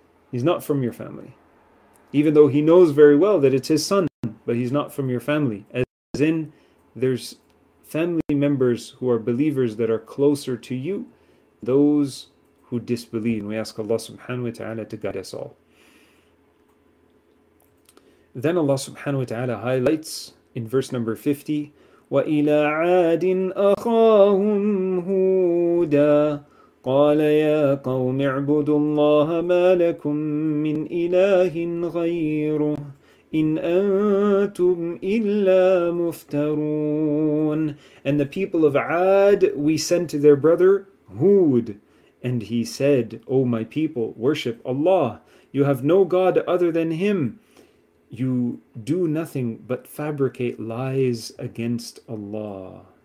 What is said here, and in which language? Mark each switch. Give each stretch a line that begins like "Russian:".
English: He's not from your family. Even though he knows very well that it's his son, but he's not from your family. As in, there's family members who are believers that are closer to you, those who disbelieve. And we ask Allah subhanahu wa ta'ala to guide us all. Then Allah subhanahu wa ta'ala highlights in verse number 50,
Arabic: وَإِلَىٰ عَادٍ أَخَاهُمْ هُودًا قَالَ يَا قَوْمِ اعْبُدُوا اللَّهَ مَا لَكُمْ مِنْ إِلَٰهٍ غَيْرُهُ إِنْ أَنْتُمْ إِلَّا مُفْتَرُونَ.
English: And the people of Ad, we sent to their brother Hud. And he said, O my people, worship Allah. You have no God other than Him. You do nothing but fabricate lies against Allah.